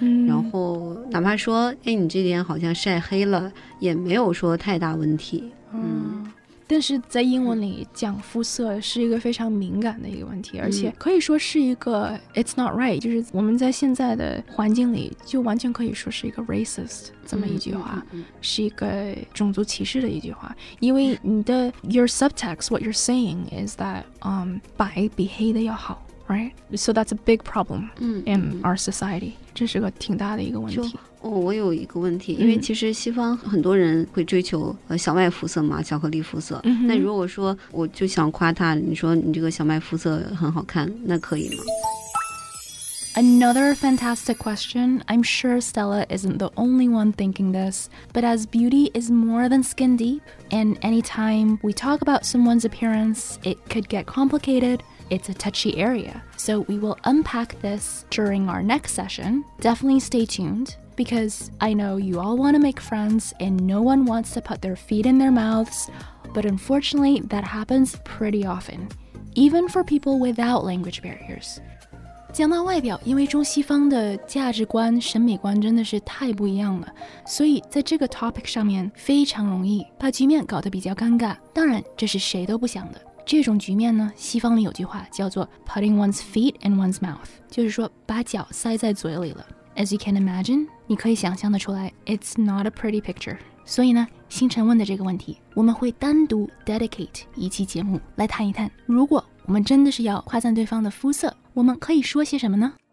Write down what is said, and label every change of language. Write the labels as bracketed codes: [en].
[zh] 然后哪怕说哎，你这点好像晒黑了也没有说太大问题。但是在英文里讲肤色是一个非常敏感的一个问题，而且可以说是一个 [en] it's not right， [zh] 就是我们在现在的环境里就完全可以说是一个 racist 这么一句话、是一个种族歧视的一句话。因为你的 [en] your subtext what you're saying is that、 [zh] 白比黑的要好， right？ [en] So that's a big problem in our society， [zh] 这是个挺大的一个问题。哦、我有一个问题，因为其实西方很多人会追求、小麦肤色嘛，巧克力肤色、那如果说我就想夸他，你说你这个小麦肤色很好看，那可以吗？ [en] Another fantastic question. I'm sure Stella isn't the only one thinking this, but as beauty is more than skin deep, and anytime we talk about someone's appearance, it could get complicated. It's a touchy area. So we will unpack this during our next session. Definitely stay tuned because I know you all want to make friends and no one wants to put their feet in their mouths. But unfortunately, that happens pretty often, even for people without language barriers. [zh] 讲到外表，因为中西方的价值观审美观真的是太不一样了，所以在这个 topic 上面非常容易把局面搞得比较尴尬。当然这是谁都不想的。这种局面呢，西方里有句话叫做 [en] putting one's feet in one's mouth， [zh] 就是说把脚塞在嘴里了。 [en] As you can imagine， [zh] 你可以想象的出来， [en] It's not a pretty picture。 [zh] 所以呢，星辰问的这个问题我们会单独 dedicate 一期节目来谈一谈，如果我们真的是要夸赞对方的肤色，我们可以说些什么呢？